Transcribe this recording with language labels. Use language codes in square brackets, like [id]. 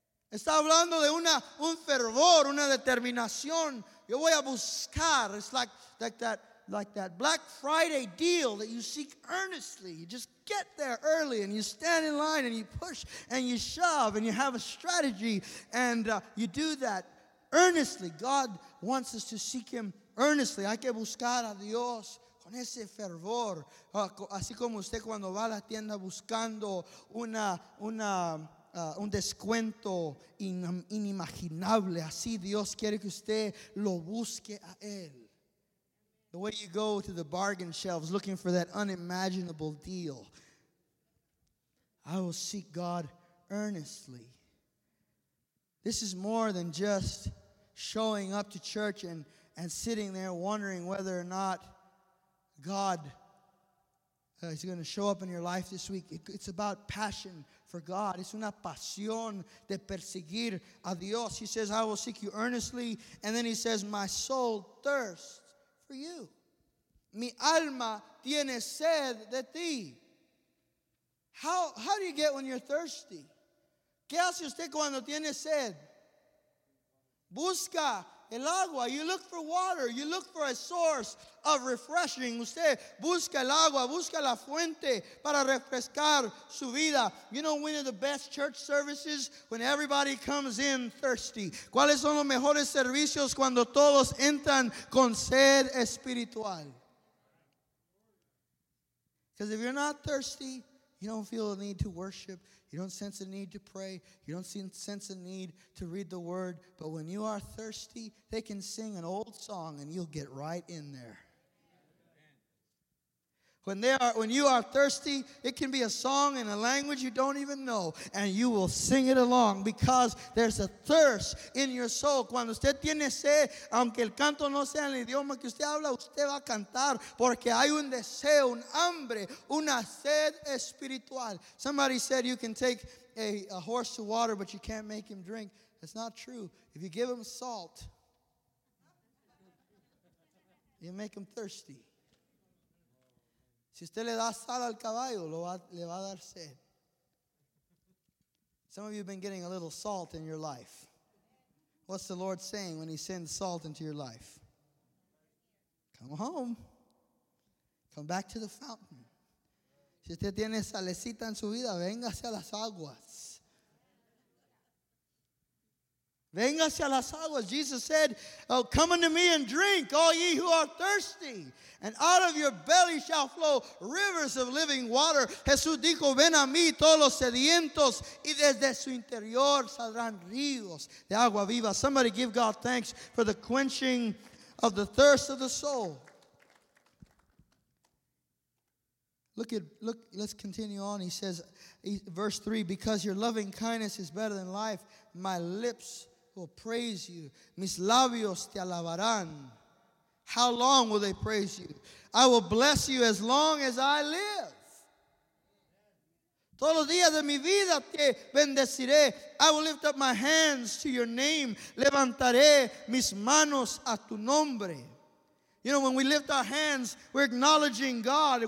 [es] Está hablando de una un fervor, una determinación. Yo voy a buscar. [en] It's like that Black Friday deal that you seek earnestly. You just get there early and you stand in line and you push and you shove and you have a strategy and you do that earnestly. God wants us to seek him earnestly. [es] Hay que buscar a Dios con ese fervor. Así como usted cuando va a la tienda buscando un descuento inimaginable. Así Dios quiere que usted lo busque a él. [en] The way you go to the bargain shelves looking for that unimaginable deal. I will seek God earnestly. This is more than just showing up to church and sitting there wondering whether or not God is going to show up in your life this week. It's about passion for God. [es] Es una pasión de perseguir a Dios. [en] He says, I will seek you earnestly. And then he says, my soul thirsts. For you. [es] Mi alma tiene sed de ti. [en] How do you get when you're thirsty? [es] ¿Qué hace usted cuando tiene sed? Busca el agua. [en] You look for water. You look for a source of refreshing. [es] Usted busca el agua. Busca la fuente para refrescar su vida. [en] You know, one of the best church services when everybody comes in thirsty. [es] ¿Cuáles son los mejores servicios cuando todos entran con sed espiritual? [en] Because if you're not thirsty, you don't feel the need to worship. You don't sense a need to pray. You don't sense a need to read the word. But when you are thirsty, they can sing an old song and you'll get right in there. When you are thirsty, it can be a song in a language you don't even know. And you will sing it along because there's a thirst in your soul. [es] Cuando usted tiene sed, aunque el canto no sea en el idioma que usted habla, usted va a cantar porque hay un deseo, un hambre, una sed espiritual. [en] Somebody said you can take a horse to water, but you can't make him drink. That's not true. If you give him salt, you make him thirsty. [es] Si usted le da sal al caballo, le va a dar sed. [en] Some of you have been getting a little salt in your life. What's the Lord saying when he sends salt into your life? Come home. Come back to the fountain. [es] Si usted tiene salecita en su vida, véngase a las aguas. Véngase a las aguas. [en] Jesus said, oh, come unto me and drink, all ye who are thirsty, and out of your belly shall flow rivers of living water. [es] Jesús dijo, ven a mí todos los sedientos, y desde su interior saldrán ríos de agua viva. [en] Somebody give God thanks for the quenching of the thirst of the soul. Let's continue on. He says, verse 3, because your loving kindness is better than life, my lips will praise you. [es] Mis labios te alabarán. [en] How long will they praise you? I will bless you as long as I live. [es] Todos los días de mi vida te bendeciré. [en] I will lift up my hands to your name. [es] Levantaré mis manos a tu nombre. [en] You know, when we lift our hands, we're acknowledging God.